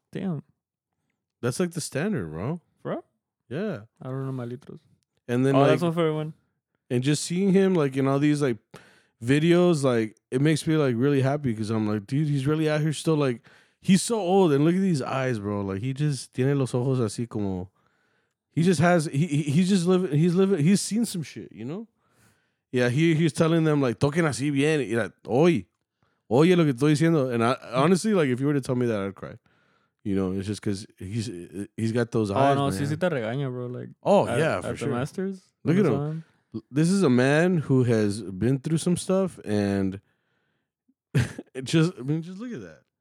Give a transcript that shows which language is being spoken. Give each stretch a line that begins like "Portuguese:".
English: Damn. That's like the standard, bro. Bro? Yeah. I don't know my litros. And then that's my favorite one. And just seeing him like in all these like videos, like it makes me like really happy because I'm like, dude, he's really out here still like, he's so old and look at these eyes, bro. Like he just
Spanish: tiene los ojos así como.
English: He just has, he's living, he's seen some shit, you know? Yeah, he's telling them, like,
Spanish: toquen así bien, y
English: like,
Spanish: oye lo que estoy diciendo.
English: And I, honestly, like, if you were to tell me that, I'd cry. You know, it's just because he's got those eyes, oh, no, man.
Spanish: Si si te regaña,
English: bro, like. Oh, yeah, for sure. At the Masters. Look at him. This is a man who has been through some stuff, and just look at that.